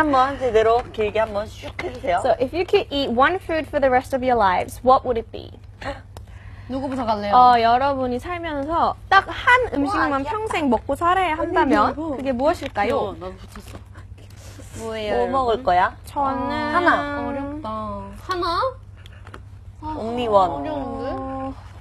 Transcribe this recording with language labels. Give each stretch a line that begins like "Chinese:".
Korean: 한번 제대로 길게 한번 슉 해주세요.
English: So, if you could eat one food for the rest of your lives, what would it be?
Korean: 누구부터 갈래요? 어, 여러분이 살면서 딱 한 음식만 우와, 평생 먹고 살아야 한다면 아니, 그게 무엇일까요? 난 붙였어. 뭐예요? 뭐 여러분? 먹을 거야? 저는 아, 하나. 어렵다. 하나?
English: 아, Only one.
Korean: 어려운데?